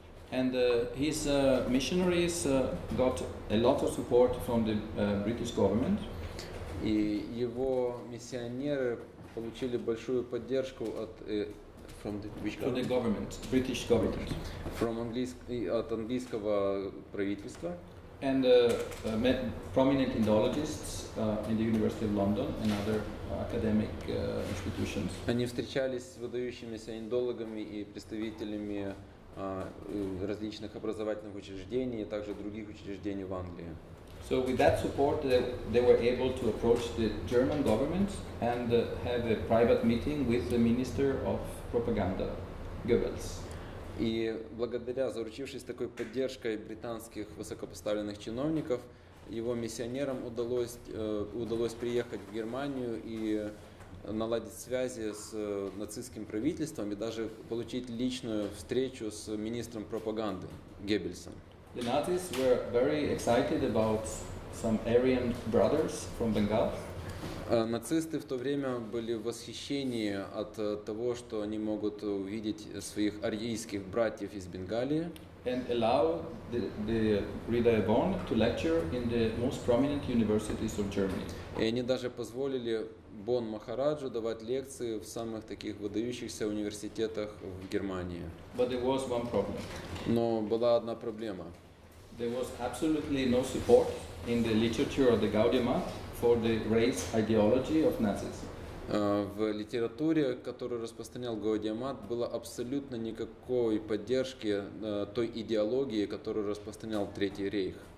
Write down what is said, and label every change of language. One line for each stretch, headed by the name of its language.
English: And his missionaries got a lot of support from the British government.
Russian: И его миссионеры получили большую поддержку от
English: from the government, British government.
Russian: От английского правительства.
English: And met prominent Indologists in the University of London and other academic institutions.
Russian: Они встречались с выдающимися индологами и представителями различных образовательных учреждений, а также других учреждений в Англии.
English: So with that support, they were able to approach the German government and have a private meeting with the Minister of Propaganda, Goebbels.
Russian: И благодаря заручившись такой поддержкой британских высокопоставленных чиновников, его миссионерам удалось приехать в Германию и наладить связи с нацистским правительством и даже получить личную встречу с министром пропаганды Геббельсом.
English: The Nazis were very excited about some Aryan brothers from Bengal.
Russian: Нацисты в то время были в восхищении от того, что они могут увидеть своих арийских братьев из Бенгалии.
English: And allow the Reader Born to lecture in the most prominent universities of Germany.
Russian: И они даже позволили Бон Махараджу давать лекции в самых таких выдающихся университетах в Германии.
English: But there was one problem.
Russian: Но была одна проблема.
English: There was absolutely no support in the literature of the Gaudium Mat for the race ideology of Nazis.
Russian: В литературе, которую распространял Гаудия Мат, было абсолютно никакой поддержки той идеологии, которую распространял Третий Рейх.